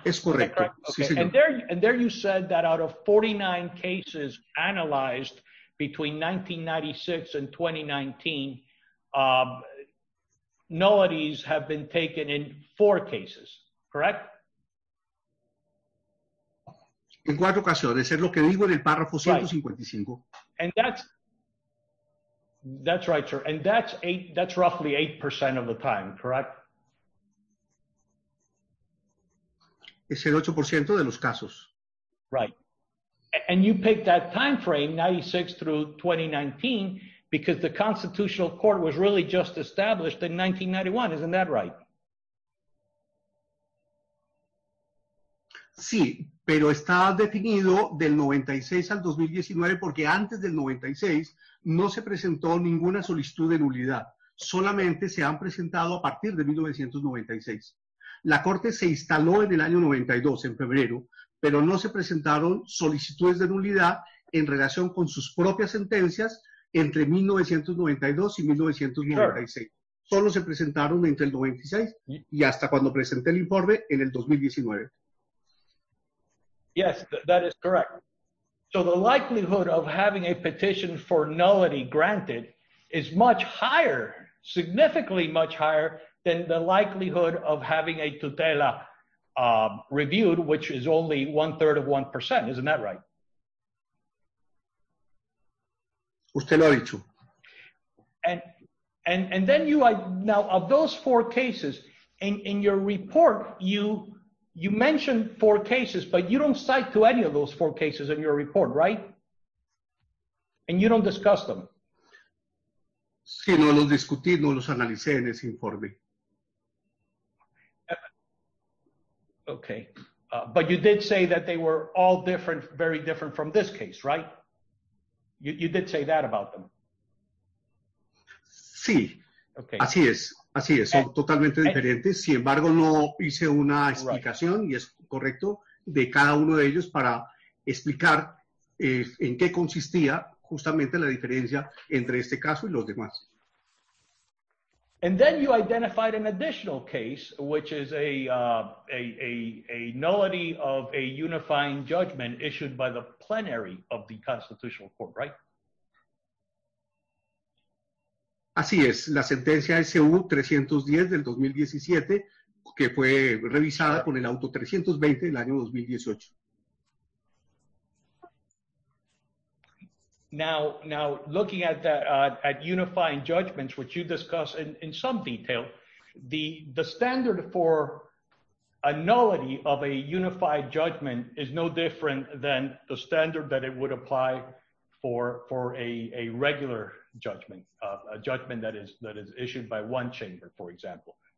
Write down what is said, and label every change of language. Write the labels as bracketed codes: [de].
[es] es correcto. [en] Okay. [es] Sí, señor. [en] And there you said that out of 49 cases analyzed between 1996 and 2019, nullities have been taken in 4 cases, correct? [es] En 4 ocasiones, es lo que digo en el párrafo 155. [en] Right. And that's right, sir. And that's roughly 8% of the time, correct? [es] Es el 8% de los casos. [en] Right. And you picked that time frame, 96 through 2019, because the Constitutional Court was really just established in 1991. Isn't that right? [es] Sí, pero está definido del 96 al 2019, porque antes del 96 no se presentó ninguna solicitud de nulidad. Solamente se han presentado a partir de 1996. La Corte se instaló en el año 92, en febrero, pero no se presentaron solicitudes de nulidad en relación con sus propias sentencias entre 1992 y 1996. [en] Sure. [es] Solo se presentaron entre el 96 y hasta cuando presenté el informe en el 2019. [en] Yes, that is correct. So the likelihood of having a petition for nullity granted is much higher, significantly much higher, than the likelihood of having a tutela reviewed, which is only 1/3 of 1%. Isn't that right? [es] Usted lo ha dicho. [en] And then of those 4 cases, in your report, you You mentioned four cases, but you don't cite to any of those four cases in your report, right? And you don't discuss them. [es] Sí, no los discutí, no los analicé en ese informe. [en] Okay. But you did say that they were all different, very different from this case, right? You did say that about them. [es] Sí. Okay. Así es. Así es, son totalmente diferentes. Sin embargo, no hice una explicación, right, y es correcto, de cada uno de ellos para explicar en qué consistía justamente la diferencia entre este caso y los demás. [en] And then you identified an additional case, which is a nullity of a unifying judgment issued by the plenary of the Constitutional Court, right? [es] Así es, la sentencia SU 310 del 2017, que fue revisada con el auto 320 del año 2018. [en] Now looking at that, at unifying judgments, which you discuss in some detail, the standard for a nullity of a unified judgment is no different than the standard that it would apply for a regular judgment, a judgment that is issued by one chamber, for example.